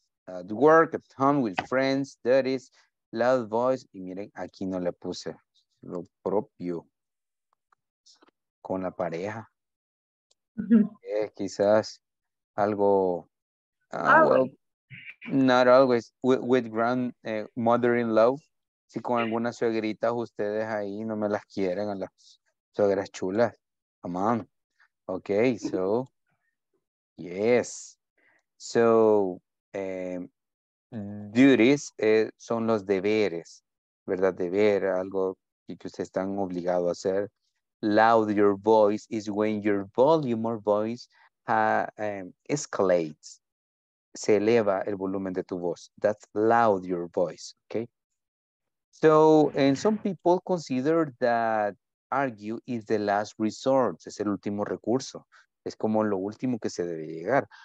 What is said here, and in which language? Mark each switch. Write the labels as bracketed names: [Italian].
[English] At work, at home, with friends, studies, loud voice. [Spanish] Y miren, aquí no le puse lo propio. Con la pareja. Quizás algo. [English] Well, not always. With grandmother-in-law. [Spanish] Si con algunas suegritas ustedes ahí no me las quieren a las suegras chulas. [English] Come on. Okay, so. Yes. So, duties [Spanish] son los deberes, ¿verdad? Deber, algo que ustedes están obligados a hacer. [English] Loud your voice is when your volume or voice escalates. [Spanish] Se eleva el volumen de tu voz. [English] That's loud your voice, okay? So, and some people consider that argue is the last resort, [Spanish] es el último recurso, es como lo último que se debe llegar.